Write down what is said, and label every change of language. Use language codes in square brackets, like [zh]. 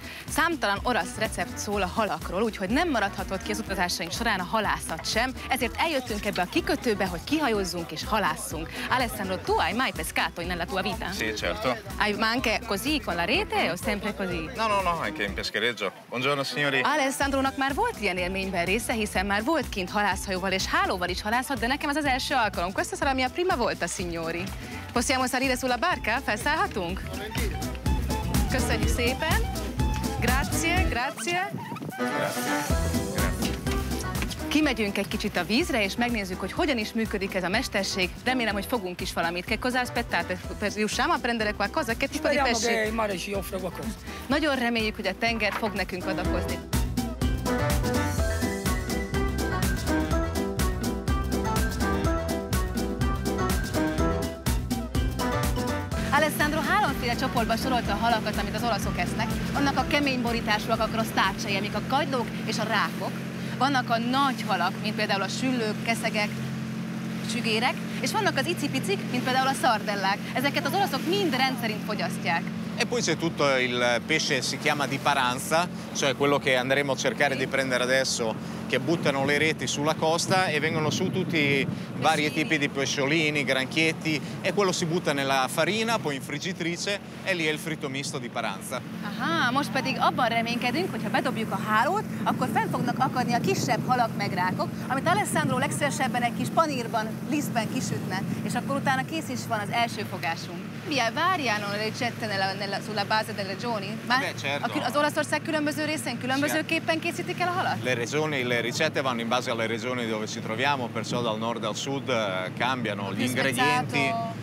[hu] számtalan orosz recept szól a halakról, úgyhogy nem maradhatott ki az utazásaink során a halászat sem, ezért eljöttünk ebbe a kikötőbe, hogy kihajozzunk és halásszunk. [it] Alessandro, tu hai mai pescato nella tua vita? Sì, certo. Hai anche così con la rete o sempre così? No, anche in peschereggio. Buongiorno, signori. [hu] Alessandrónak már volt ilyen élményben része, hiszen már volt kint halászhajóval és hálóval is halászhat, de nekem ez az első alkalom. [it] Questa sarà mia prima volta, signori. Possiamo salire sulla barca? [hu] Felszállhatunk? Köszönjük szépen! [it] Grazie. [hu] Kimegyünk egy kicsit a vízre, és megnézzük, hogy hogyan is működik ez a mesterség. Remélem, hogy fogunk is valamit. [it] Che cosa aspettate? Per riusciamo a prendere qualcosa? Che tipo di pesce? Speriamo che il mare ci offra qualcosa. [hu] Nagyon reméljük, hogy a tenger fog nekünk adakozni. Alessandro háromféle csoportba sorolta a halakat, amit az olaszok esznek. Vannak a kemény borításúak, akkor a sztárcsai, amik a kagylók és a rákok. Vannak a nagy halak, mint például a süllők, keszegek, sügérek. És vannak az icipicik, mint például a szardellák. Ezeket az olaszok mind rendszerint fogyasztják. [it] E poi c'è tutto il pesce si chiama di paranza, cioè quello che andremo a cercare di prendere adesso, che buttano le reti sulla costa e vengono su tutti i vari tipi di pesciolini, granchietti, e quello si butta nella farina, poi in friggitrice e lì è il fritto misto di paranza. [hu] Aha, most pedig abban reménykedünk, hogyha bedobjuk a hálót, akkor fel fognak akadni a kisebb halak meg rákok, amit Alessandro legszívesebben egy kis panírban, lisztben kisütne, és akkor utána kész is van az első fogásunk. [it] Via variano le ricette sulla base delle regioni? Ma certo. [hu] Az Olaszország különböző részén különbözőképpen készítik el a halat? [it] Le regioni, le ricette vanno in base alle regioni dove ci troviamo, perciò dal nord al sud cambiano gli ingredienti.